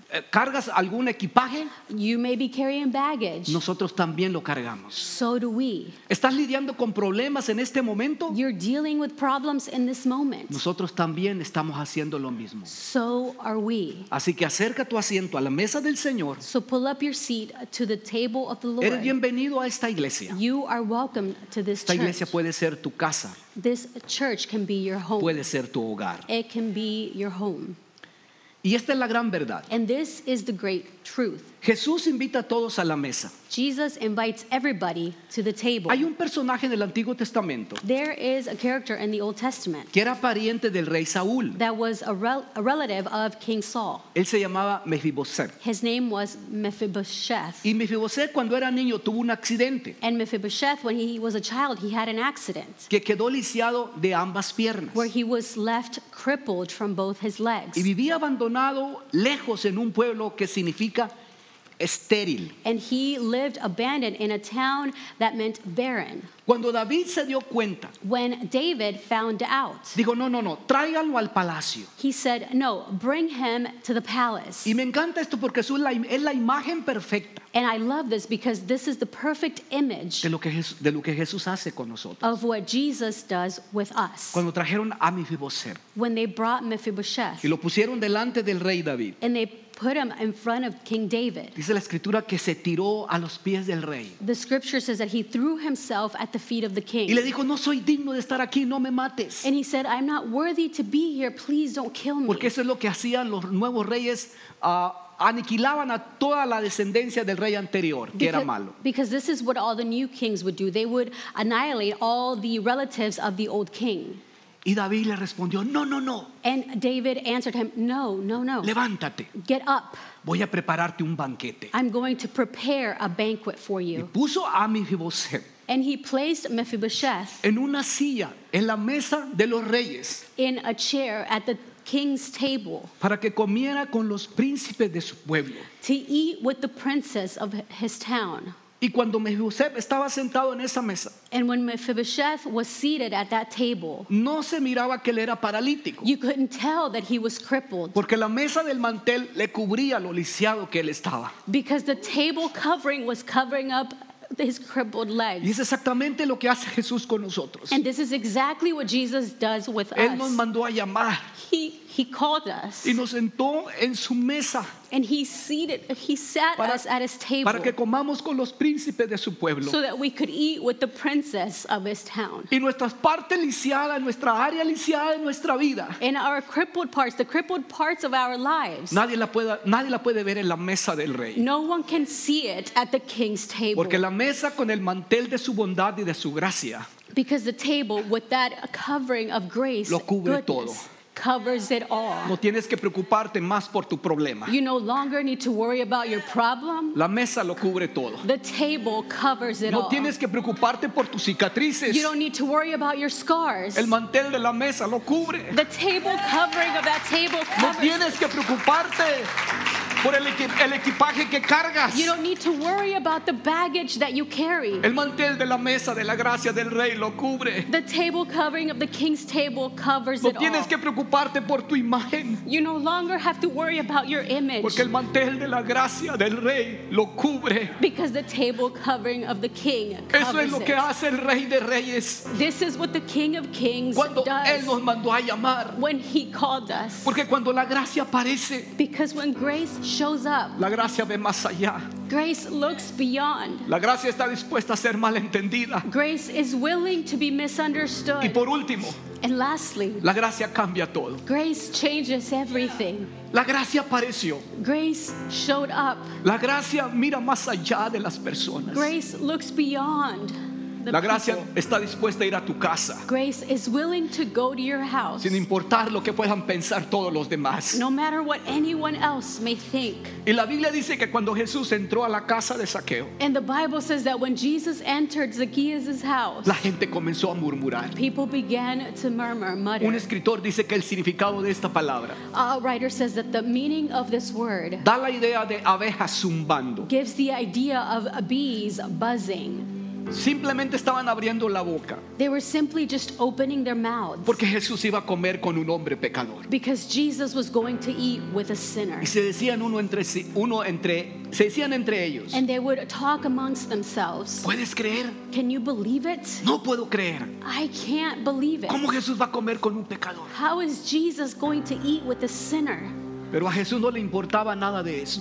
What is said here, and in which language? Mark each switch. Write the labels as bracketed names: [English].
[Spanish] ¿Cargas algún equipaje? [English] You may be carrying baggage. [Spanish] Nosotros también lo cargamos. [English] So do we. [Spanish] ¿Estás lidiando con problemas en este momento? [English] You're dealing with problems in this moment. [Spanish] Nosotros también estamos haciendo lo mismo. [English] So are we. [Spanish] Así que acerca tu asiento a la mesa del Señor. [English] So pull up your seat to the table of the Lord. [Spanish] Eres bienvenido a esta iglesia. [English] You are welcome to this church. [Spanish] Esta iglesia puede ser tu casa. [English] This church can be your home. [Spanish] Puede ser tu hogar. [English] It can be your home. [Spanish] Y esta es la gran verdad. [English] And this is the great truth. [Spanish] Jesús invita a todos a la mesa. [English] Jesus invites everybody to the table. [Spanish] Hay un personaje en el Antiguo Testamento. [English] There is a character in the Old Testament. [Spanish] Que era pariente del rey Saúl. [English] That was a relative of King Saul. [Spanish] Él se llamaba Mefiboset. [English] His name was Mephibosheth. [Spanish] Y Mefiboset cuando era niño tuvo un accidente. [English] And Mephibosheth when he was a child he had an accident. [Spanish] Que quedó lisiado de ambas piernas. [English] Where he was left crippled from both his legs. [Spanish] Y vivía abandonado lejos en un pueblo que significa estéril. [English] And he lived abandoned in a town that meant barren. [Spanish] Cuando David se dio cuenta, [English] when David found out, [Spanish] dijo, no, tráiganlo al palacio. [English] He said, no, bring him to the palace. [Spanish] Y me encanta esto porque es la imagen perfecta. [English] And I love this because this is the perfect image [Spanish] de lo que Jesús hace con nosotros. [English] Of what Jesus does with us. [Spanish] Cuando trajeron a Mefiboset, [English] when they brought Mephibosheth, [Spanish] y lo pusieron delante del rey David, [English] and they put him in front of King David. [Spanish] Dice la escritura que se tiró a los pies del rey. [English] The scripture says that he threw himself at the feet of the king. [Spanish] Y le dijo, no soy digno de estar aquí, no me mates. [English] And he said, I'm not worthy to be here, please don't kill me. [Spanish] Porque eso es lo que hacían los nuevos reyes, aniquilaban a toda la descendencia del rey anterior, que era malo. [English] Because this is what all the new kings would do. They would annihilate all the relatives of the old king. [Spanish] Y David le respondió, no. [English] And David answered him, no. [Spanish] Levántate. [English] Get up. [Spanish] Voy a prepararte un banquete. [English] I'm going to prepare a banquet for you. [Spanish] Y puso a Mefiboset. [English] And he placed Mephibosheth. [Spanish] En una silla, en la mesa de los reyes. [English] In a chair at the king's table. [Spanish] Para que comiera con los príncipes de su pueblo. [English] To eat with the princes of his town. [Spanish] Y cuando Mefiboset estaba sentado en esa mesa, [English] and when Mephibosheth was seated at that table, [Spanish] no se miraba que él era paralítico. [English] You couldn't tell that he was crippled. [Spanish] Porque la mesa del mantel le cubría lo lisiado que él estaba. [English] Because the table covering was covering up his crippled legs. [Spanish] Y es exactamente lo que hace Jesús con nosotros. [English] And this is exactly what Jesus does with [Spanish] él [English] us. [Spanish] Nos mandó a llamar. [English] He called us. [Spanish] Y nos sentó en su mesa. [English] And he sat us at his table. [Spanish] Para que comamos con los príncipes de su pueblo. [English] So that we could eat with the princes of his town. [Spanish] Y nuestras partes lisiadas, nuestra área lisiada de nuestra vida. [English] And our crippled parts, the crippled parts of our lives. [Spanish] Nadie la puede ver en la mesa del rey. [English] No one can see it at the king's table. [Spanish] Porque la mesa con el mantel de su bondad y de su gracia. [English] Because the table with that covering of grace [Spanish] lo cubre todo. [English] Covers it all. [Spanish] No tienes que preocuparte más por tu problema. [English] You no longer need to worry about your problem. [Spanish] La mesa lo cubre todo. [English] The table covers it [Spanish] no [English] all. [Spanish] Tienes que preocuparte por tus cicatrices. [English] You don't need to worry about your scars. [Spanish] El mantel de la mesa lo cubre. [English] The table covering of that table covers. [Spanish] No tienes que preocuparte por el equipaje que cargas. [English] You don't need to worry about the baggage that you carry. [Spanish] El mantel de la mesa de la gracia del rey lo cubre. [English] The table covering of the king's table covers [Spanish] no [English] it [Spanish] tienes [English] all. [Spanish] Que preocuparte por tu imagen. [English] You no longer have to worry about your image. [Spanish] Porque el mantel de la gracia del rey lo cubre. [English] Because the table covering of the king covers it. [Spanish] Eso es lo que hace el rey de reyes. [English] This is what the king of kings [Spanish] cuando Cuando él nos mandó a llamar. [English] When he called us. [Spanish] Porque cuando la gracia aparece. [English] Because when grace shows up. [Spanish] La gracia ve más allá. [English] Grace looks beyond. [Spanish] La gracia está dispuesta a ser malentendida. [English] Grace is willing to be misunderstood. [Spanish] Y por último, [English] and lastly, [Spanish] la gracia cambia todo. [English] Grace changes everything. [Spanish] La gracia apareció. [English] Grace showed up. [Spanish] La gracia mira más allá de las personas. [English] Grace looks beyond. [Spanish] La gracia [English] people. [Spanish] Está dispuesta a ir a tu casa. [English] Grace is willing to go to your house. [Spanish] Sin importar lo que puedan pensar todos los demás. [English] No matter what anyone else may think. [Spanish] Y la Biblia dice que cuando Jesús entró a la casa de Zaqueo. [English] And the Bible says that when Jesus entered Zacchaeus' house. [Spanish] La gente comenzó a murmurar. [English] People began to murmur, mutter. [Spanish] Un escritor dice que el significado de esta palabra. [English] A writer says that the meaning of this word. [Spanish] Da la idea de abejas zumbando. [English] Gives the idea of bees buzzing. [Spanish] Simplemente estaban abriendo la boca. [English] They were simply just opening their mouths. [Spanish] Porque Jesús iba a comer con un hombre pecador. [English] Because Jesus was going to eat with a sinner. [Spanish] Y se decían entre ellos. [English] And they would talk amongst themselves. [Spanish] ¿Puedes creer? [English] Can you believe it? [Spanish] No puedo creer. [English] I can't believe it. [Spanish] ¿Cómo Jesús va a comer con un pecador? [English] How is Jesus going to eat with a sinner? [Spanish] Pero a Jesús no le importaba nada de eso.